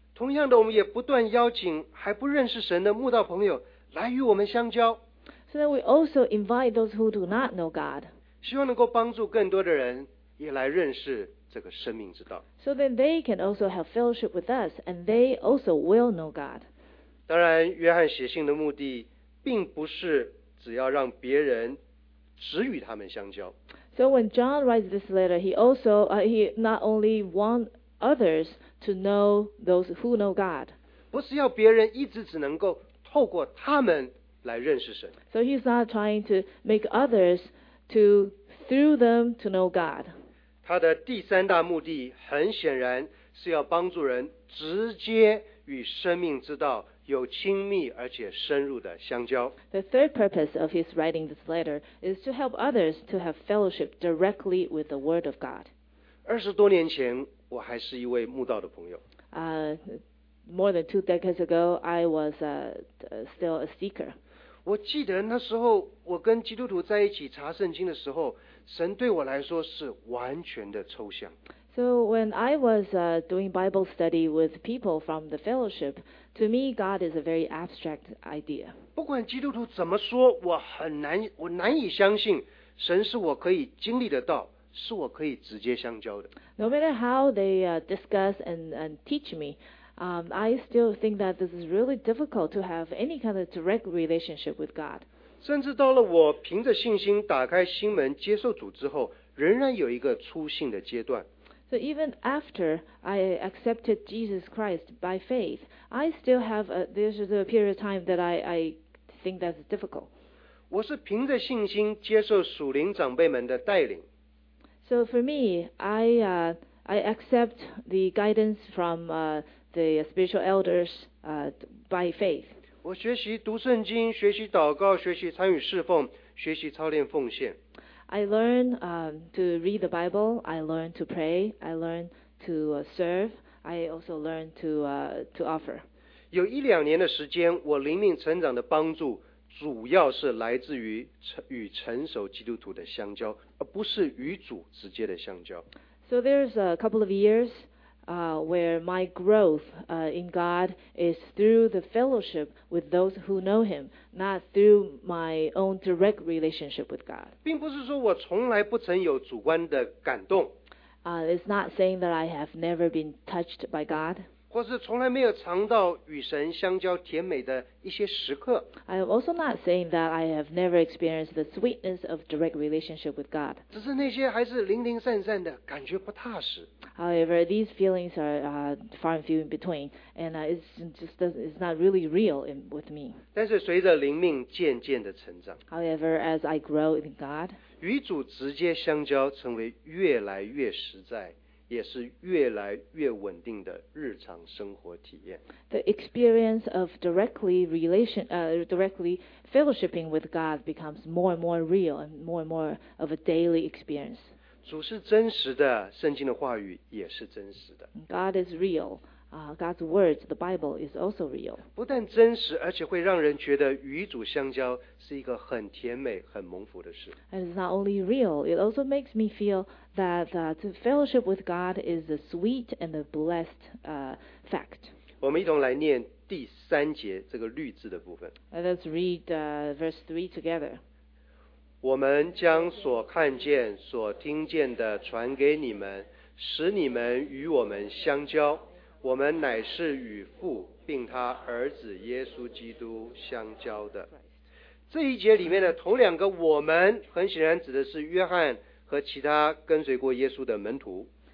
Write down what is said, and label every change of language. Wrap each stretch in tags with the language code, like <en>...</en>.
<zh>同样的，我们也不断邀请还不认识神的慕道朋友来与我们相交。</zh> <en>So then we also invite those who do not know God.</en> <zh>希望能够帮助更多的人也来认识这个生命之道。</zh> <en>So then they can also have fellowship with us, and they also will know God.</en> <zh>当然，约翰写信的目的并不是只要让别人只与他们相交。</zh> <en>So when John writes this letter, he not only want others to know those who know God.</en> <zh>不是要别人一直只能够透过他们来认识神。</zh> <en>So he's not trying to make others to through them to know God.</en> <zh>他的第三大目的很显然是要帮助人直接与生命之道有亲密而且深入的相交。</zh> <en>The third purpose of his writing this letter is to help others to have fellowship directly with the Word of God.</en> <zh>二十多年前，我还是一位慕道的朋友。</zh> <en>More than two decades ago, I was still a seeker.</en> <zh>我记得那时候我跟基督徒在一起查圣经的时候，神对我来说是完全的抽象。</zh> <en>So when I was doing Bible study with people from the fellowship, to me, God is a very abstract idea.</en> <zh>不管基督徒怎么说，我难以相信神是我可以经历得到，是我可以直接相交的。</zh> <en>No matter how they discuss and teach me, I still think that this is really difficult to have any kind of direct relationship with God.</en> <zh>甚至到了我凭着信心打开心门接受主之后，仍然有一个初信的阶段。</zh> <en>So even after I accepted Jesus Christ by faith, I still have there's a period of time that I think that's difficult.</en> <zh>我是凭着信心接受属灵长辈们的带领。</zh> <en>So for me, I accept the guidance from the spiritual elders by faith.</en> <zh>我学习读圣经，学习祷告，学习参与侍奉，学习操练奉献。</zh> <en>I learn to read the Bible. I learn to pray. I learn to serve. I also learn to offer.</en> <zh>有一两年的时间，我灵命成长的帮助主要是来自于与成熟基督徒的相交，而不是与主直接的相交。</zh> <en>So there's a couple of years. Where my growth in God is through the fellowship with those who know Him, not through my own direct relationship with God.</en> <zh>并不是说我从来不曾有主观的感动。</zh> <en>It's not saying that I have never been touched by God.</en> <zh>或是从来没有尝到与神相交甜美的一些时刻。</zh> <en>I'm also not saying that I have never experienced the sweetness of direct relationship with God.</en> <zh>只是那些还是零零散散的感觉不踏实。</zh> <en>However, these feelings are far and few in between, and it's not really real with me.</en> <zh>但是随着灵命渐渐的成长，</zh> <en>However, as I grow in God,</en> <zh>与主直接相交成为越来越实在，也是越来越稳定的日常生活体验。</zh> <en>The experience of directly fellowshipping with God becomes more and more real and more of a daily experience.</en> <zh>主是真实的，圣经的话语也是真实的。</zh> <en>God is real. God's words, the Bible, is also real.</en> <zh>不但真实，而且会让人觉得与主相交是一个很甜美、很蒙福的事。</zh> <en>And it's not only real, it also makes me feel that to fellowship with God is a sweet and a blessed fact.</en> <zh>我们一同来念第三节这个律字的部分。</zh> <en>Let's read verse 3 together.</en> <zh>我们将所看见、所听见的传给你们，使你们与我们相交。我们乃是与父并他儿子耶稣基督相交的。这一节里面的同两个我们，很显然指的是约翰和其他跟随过耶稣的门徒。</zh>